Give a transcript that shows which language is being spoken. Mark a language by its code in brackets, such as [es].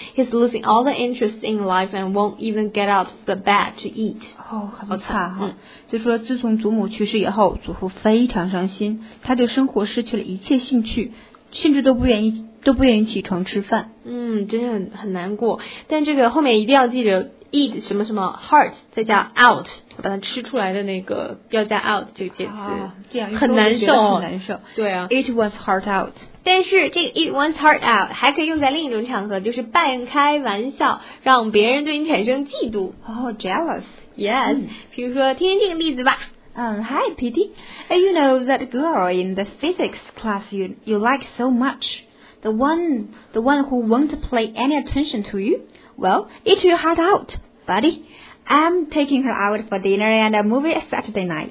[en] He's losing all the interest in life and won't even get out of the bed to eat. [zh] 很惨哈。就说自从祖母去世以后，祖父非常伤心，他对生活失去了一切兴趣，甚至都不愿意起床吃饭。真的很难过。但这个后面一定要记着 eat 什么什么 heart 再加 out， 把它吃出来的那个要加 out 这个介词。很难受，很难受。对啊 [en] ，eat one's heart out。 [zh] 但是这个 [en] eat one's heart out [zh] 还可以用在另一种场合，就是半开玩笑，让别人对你产生嫉妒。 [en] Jealous. Yes. [zh] 比如说，听听这个例子吧。 [en] Hi, Pity. You know that girl in the physics class you like so much? The one who won't pay any attention to you? Well, eat your heart out, buddy. I'm taking her out for dinner and a movie Saturday night.